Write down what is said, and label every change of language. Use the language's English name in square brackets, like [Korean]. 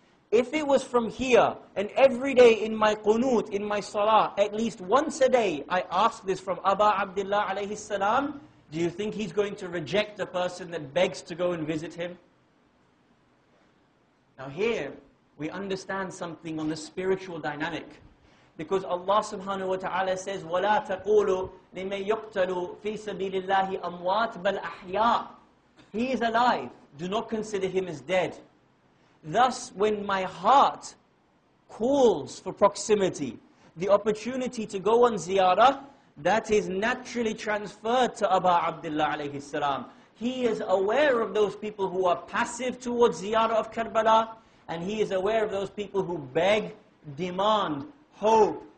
[English] If it was from here, and every day in my qunut, in my salah, at least once a day, I ask this from Aba Abdullah alayhi salam, do you think he's going to reject a person that begs to go and visit him? Now here, we understand something on the spiritual dynamic. Because Allah subhanahu wa ta'ala says, [Arabic] وَلَا تَقُولُ لِمَنْ يُقْتَلُ فِي سَبِيلِ اللَّهِ أَمْوَاتٍ بَلْ أَحْيَا. [English] He is alive. Do not consider him as dead. Thus, when my heart calls for proximity, the opportunity to go on ziyarah, that is naturally transferred to Aba Abdullah alayhi salam. He is aware of those people who are passive towards ziyarah of Karbala, and he is aware of those people who beg, demand, hope,